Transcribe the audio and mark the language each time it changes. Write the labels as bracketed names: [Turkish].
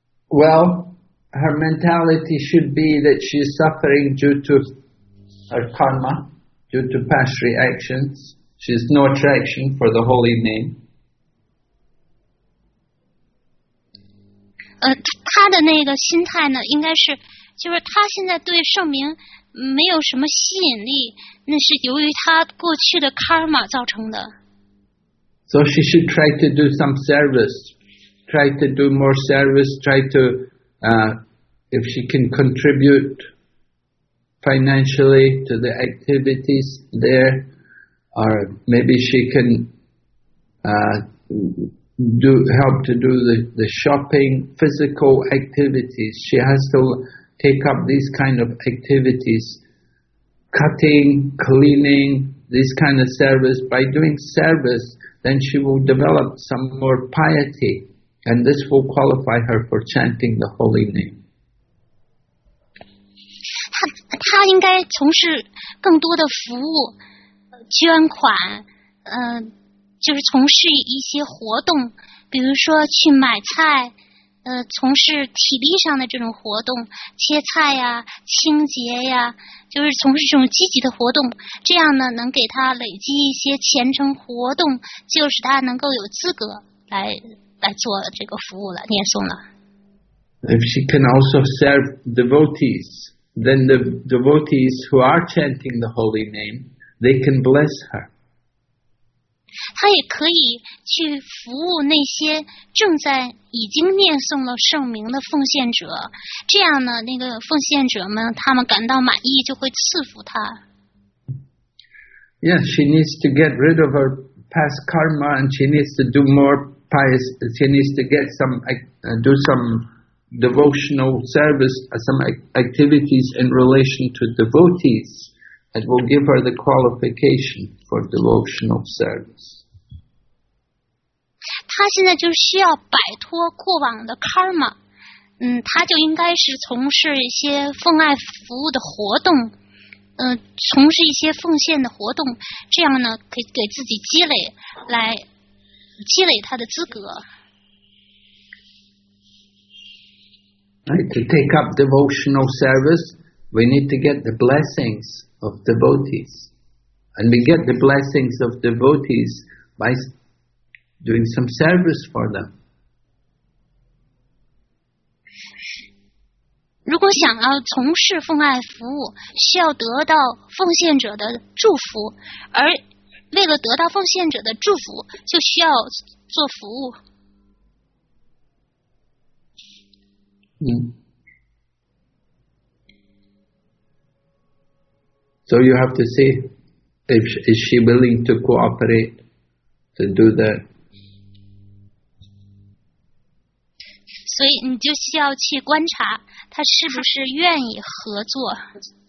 [English] Well, her mentality should be that she is suffering due to her karma, due to past reactions. She has no attraction for the holy name. [Chinese] 她的那个心态呢，应该是，就是她现在对圣名没有什么吸引力，那是由于她过去的 karma 造成的。 [English] So she should try to do some service. Try to do more service. Try to, if she can contribute financially to the activities there, or maybe she can help to do the shopping, physical activities. She has to take up these kind of activities, cutting, cleaning, these kind of service. By doing service, then she will develop some more piety, and this will qualify her for chanting the holy name. [Chinese] 他应该从事更多的服务捐款，就是从事一些活动，比如说去买菜，从事体力上的这种活动，切菜呀，清洁呀，就是从事这种积极的活动，这样呢能给他累积一些虔诚活动，就是他能够有资格来做这个服务了，念诵了。 [English] If she can also serve devotees, then the devotees who are chanting the holy name, they can bless her. [Chinese] 她也可以去服务那些正在已经念诵了圣名的奉献者，这样呢，那个奉献者们他们感到满意，就会赐福她。 [English] Yes, she needs to get rid of her past karma, and she needs to do more pious. She needs to get some do some devotional service, some activities in relation to devotees. It will give her the qualification for devotional service. [Chinese] 她现在就需要摆脱过往的 karma， 她就应该是从事一些奉爱服务的活动，从事一些奉献的活动，这样呢，给自己积累，来积累她的资格。 [English] Right, to take up devotional service, we need to get the blessings of devotees. And we get the blessings of devotees by doing some service for them. [Chinese] 如果想要从事奉爱服务，需要得到奉献者的祝福，而为了得到奉献者的祝福，就需要做服务。 [English] So you have to see if is she willing to cooperate to do that. [Chinese] 所以你就需要去观察她是不是愿意合作。